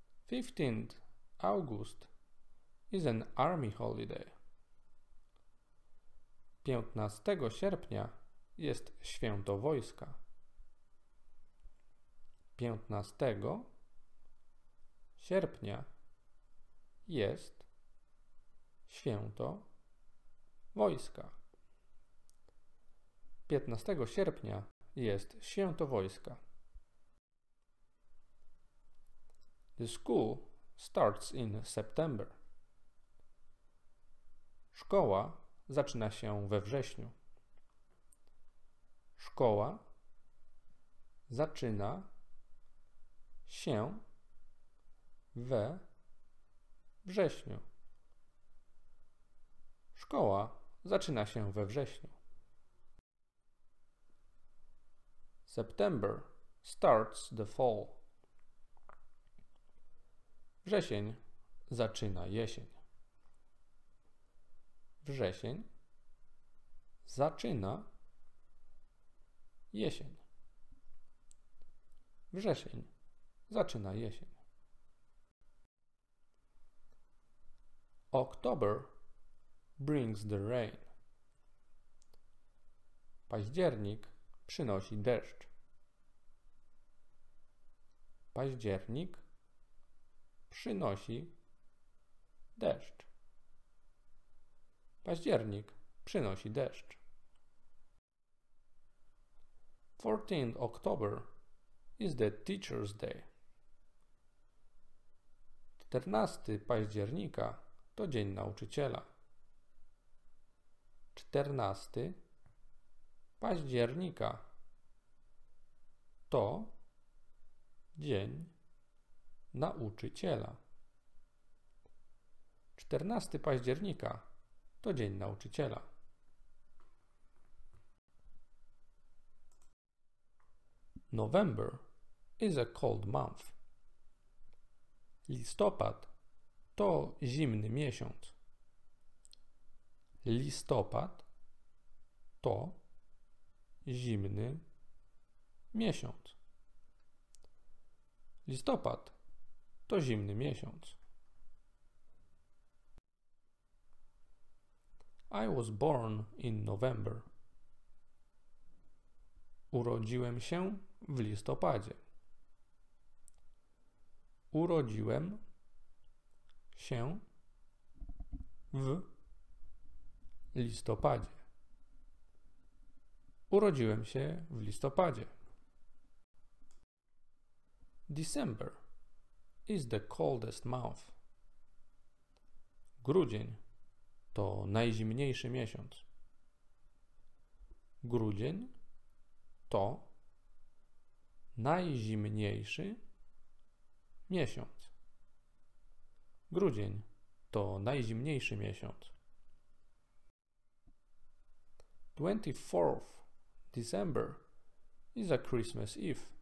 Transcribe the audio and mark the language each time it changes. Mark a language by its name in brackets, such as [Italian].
[English] 15th August is an army holiday. [Polish] 15 sierpnia jest święto wojska. 15 sierpnia jest święto wojska. 15 sierpnia jest święto wojska. [English] The school starts in September. [Polish] Szkoła zaczyna się we wrześniu. Szkoła zaczyna się we wrześniu. Szkoła zaczyna się we wrześniu. [English] September starts the fall. [Polish] Wrzesień zaczyna jesień. Wrzesień zaczyna jesień. Wrzesień zaczyna jesień. [English] October brings the rain. [Polish] Październik przynosi deszcz. Październik przynosi deszcz. Październik przynosi deszcz. [English] 14 October is the Teacher's Day. [Polish] 14 października to Dzień Nauczyciela. 14 października to Dzień Nauczyciela. 14 października to Dzień Nauczyciela. [English] November is a cold month. [Polish] Listopad to zimny miesiąc. Listopad to zimny miesiąc. Listopad to zimny miesiąc. [English] I was born in November. [Polish] Urodziłem się w listopadzie. Urodziłem się w listopadzie. Urodziłem się w listopadzie. [English] December is the coldest month. [Polish] Grudzień to najzimniejszy miesiąc. Grudzień to najzimniejszy miesiąc. Grudzień to najzimniejszy miesiąc. [English] 24th December is a Christmas Eve.